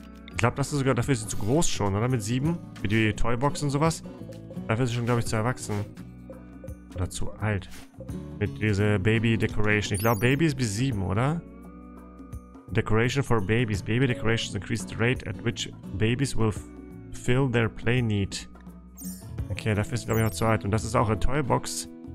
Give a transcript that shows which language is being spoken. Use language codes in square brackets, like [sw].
[de] Ich glaube, das ist sogar, dafür ist sie zu groß schon, oder? Mit 7? Für die Toybox und sowas? Dafür ist sie schon, glaube ich, zu erwachsen. Oder zu alt. Mit dieser Baby-Decoration. Ich glaube, Baby ist bis 7, oder? [en] Decoration for Babies. Baby-Decorations increase the rate at which babies will fill their play need. [de] Okay, dafür ist sie, glaube ich, auch zu alt. Und das ist auch eine Toybox.